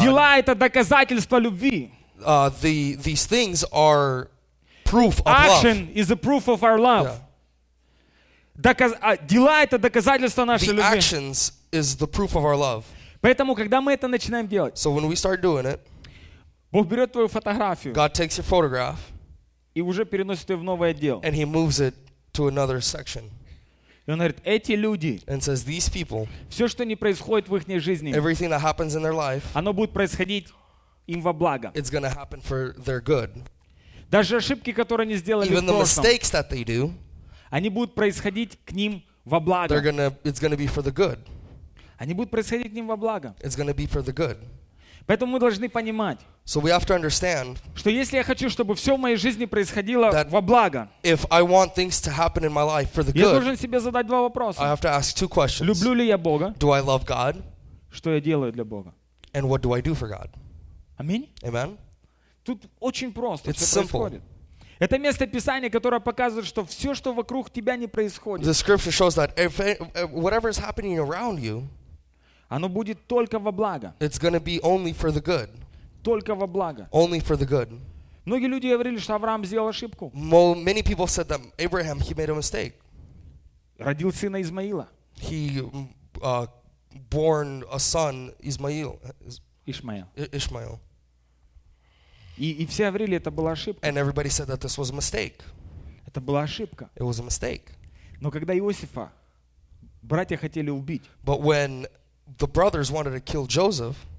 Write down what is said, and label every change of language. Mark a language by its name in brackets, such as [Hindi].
[Russian] дела — это доказательство любви. [English] These things are proof of Action love. Is a proof of our love. Yeah. [Russian] Дела — это доказательство нашей [English] the [Russian] любви. [English] The actions is the proof of our love. [Russian] Поэтому, когда мы это начинаем делать, [English] so when we start doing it, [Russian] Бог берет твою фотографию. [English] God takes your photograph. [Russian] И уже переносит ее в новый отдел. [English] And he moves it to another section. [Russian] И он говорит, эти люди. [English] And says, these people. [Russian] Все, что не происходит в их жизни. [English] Everything that happens in their life. [Russian] Оно будет происходить им во благо. [English] It's going to happen for their good. [Russian] Даже ошибки, которые они сделали [English] Even [Russian] в прошлом. [English] Even the mistakes that they do. [Russian] Они будут происходить к ним во благо. [English] They're going to, it's going to be for the good. [Russian] Они будут происходить к ним во благо. [English] It's going to be for the good. [Russian] Поэтому мы должны понимать, [English] so we have to understand, [Russian] что если я хочу, чтобы все в моей жизни происходило во благо, [English] if I want things to happen in my life for the good, [Russian] я должен себе задать два вопроса. [English] I have to ask two questions. [Russian] Люблю ли я Бога? [English] Do I love God? [Russian] Что я делаю для Бога? [English] And what do I do for God? [Russian] Аминь. [English] Amen. [Russian] Тут очень просто все происходит. Это место Писания, которое показывает, что все, что вокруг тебя не происходит. [English] The scripture shows that if whatever is happening around you, [Russian] оно будет только во благо. [English] It's going to be only for the good. [Russian] Только во благо. [English] Only for the good. [Russian] Многие люди говорили, что Авраам сделал ошибку. [English] Well, many people said that Abraham, he made a mistake. [Russian] Родил сына Измаила. [English] He born a son, Ishmael. [Russian] И все говорили, это была ошибка. [English] And everybody said that this was a mistake. [Russian] Это была ошибка. [English] It was a mistake. [Russian] Но когда Иосифа братья хотели убить, [English] but when the brothers wanted to kill Joseph,